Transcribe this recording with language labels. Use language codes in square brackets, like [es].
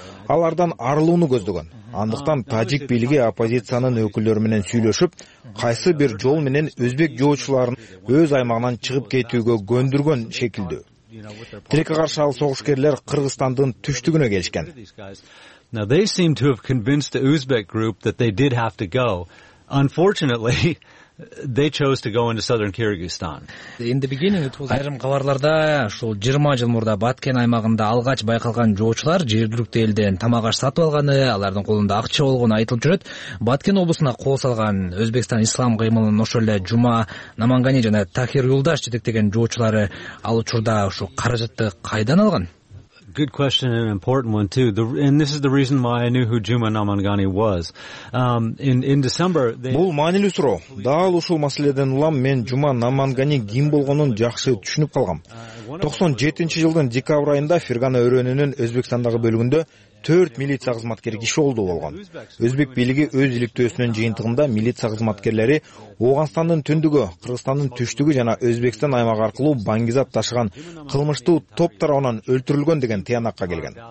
[ky] Алардан арылууну көздөгөн. Андыктан тажик бийлиги оппозициянын өкүлдөрү менен сүйлөшүп, кайсы бир жол менен өзбек жоочуларын өз аймагынан чыгып кетүүгө көндүргөн шекилдүү. Тилекке каршы ал согушкерлер Кыргызстандын түштүгүнө келишкен. [en] Now they seem to have convinced the Uzbek group that they did have to go. Unfortunately, they chose to go into southern Kyrgyzstan. In the beginning it was [ky] айрым кабарларда ошол 20 жыл мурда Баткен аймагында алгач байкалган жоочулар жергиликтүү элден тамак аш сатып алганы, алардын колунда акча болгону айтылып жүрөт. Баткен облусуна кол салган Өзбекстан ислам кыймылынын ошол эле Жума Намангани жана Тахир Юлдаш жетектеген жоочулары ал учурда ошо каражатты кайдан алган? [en] Good question and an important one too. And this is the reason why I knew who Juma Namangani was. In December, [ky] бул маанилүү суроо. Дал ушул маселеден улам мен Juma Namangani ким болгонун жакшы түшүнүп калгам. 97 жылдын декабрь айында Фергана өрөөнүнүн Өзбекстандагы бөлүгүндө 4 милиция кызматкери киши олду болгон. Өзбек бийлиги өз иликтөөсүнүн жыйынтыгында милиция кызматкерлери Ооганстандын түндүгү, Кыргызстандын түштүгү жана Өзбекстан аймагы аркылуу баңгизат ташыган кылмыштуу топ тарабынан өлтүрүлгөн деген тыянакка келген.